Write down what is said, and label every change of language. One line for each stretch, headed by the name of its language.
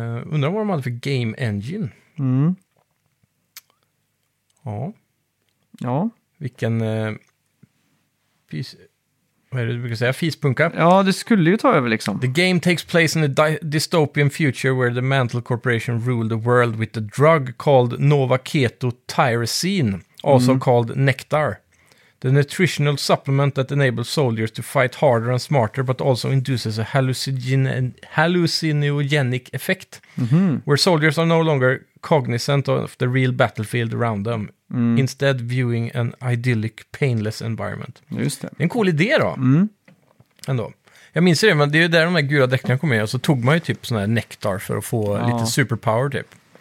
Swedish: Undrar vad de hade för game engine. Mm. Ja. Ja. Vilken vad är det du brukar säga? Fispunka? Ja, det skulle ju ta över liksom.
English: The game takes place in a dystopian future where the Mantle Corporation ruled the world with a drug called Nova Keto Tyrosine, also called Nectar. The nutritional supplement that enables soldiers to fight harder and smarter, but also induces a hallucinogenic effect, where soldiers are no longer cognizant of the real battlefield around them, instead viewing an idyllic, painless environment.
Swedish: Just det. Det är en cool idé då. Ändå. Jag minns det, men det är ju där de här gula däckningarna kom in, och så tog man ju typ sån här nektar för att få lite superpower typ.